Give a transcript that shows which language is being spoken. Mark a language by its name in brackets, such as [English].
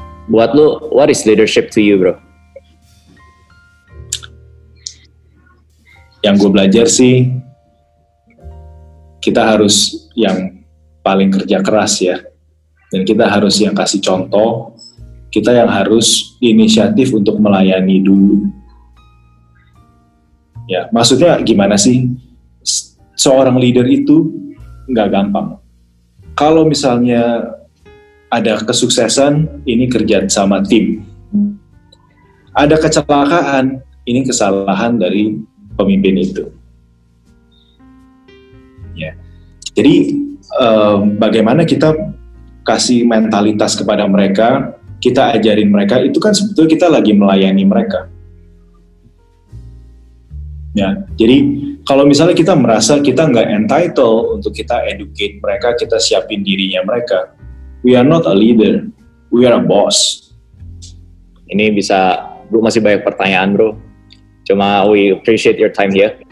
[Indonesian] Buat lu, [English] what is leadership to you, bro? [Indonesian] Yang gue belajar sih, kita harus yang paling kerja keras ya, dan kita harus yang kasih contoh, kita yang harus inisiatif untuk melayani dulu. Ya, maksudnya gimana sih, seorang leader itu nggak gampang. Kalau misalnya ada kesuksesan, ini kerja sama tim. Ada kecelakaan, ini kesalahan dari pemimpin itu. Ya. Jadi bagaimana kita kasih mentalitas kepada mereka, kita ajarin mereka, itu kan sebetulnya kita lagi melayani mereka. Ya, jadi kalau misalnya kita merasa kita nggak entitled untuk kita educate mereka, kita siapin dirinya mereka, [English] we are not a leader, we are a boss. [Indonesian] Ini bisa, bro, masih banyak pertanyaan, bro. Cuma [English] we appreciate your time here.